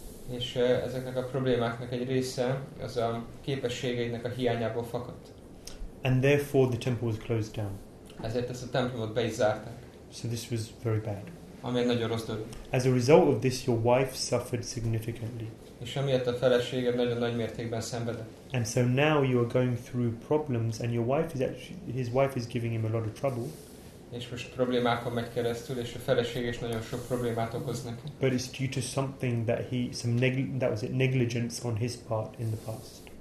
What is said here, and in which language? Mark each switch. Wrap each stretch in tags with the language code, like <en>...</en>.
<hu>És ezeknek a problémáknak egy része az a képességeidnek a hiányából fakadt.</hu> <en>And therefore the temple was closed down.</en> <hu>Ezért ezt a templomot be is zárták.</hu> <en>So this was very bad.</en> <hu>Ami egy nagyon rossz dolog.</hu> <en>As a result of this, your wife suffered significantly.</en> <hu>És emiatt a feleséged nagyon nagy mértékben szenvedett.</hu> <en>And so now you are going through problems, and your wife is his wife is giving him a lot of trouble.</en> <hu>És most problémákon megy keresztül, és a feleség is nagyon sok problémát okoz neki.</hu> <en>But it's due to something that negligence on his part in the past.</en>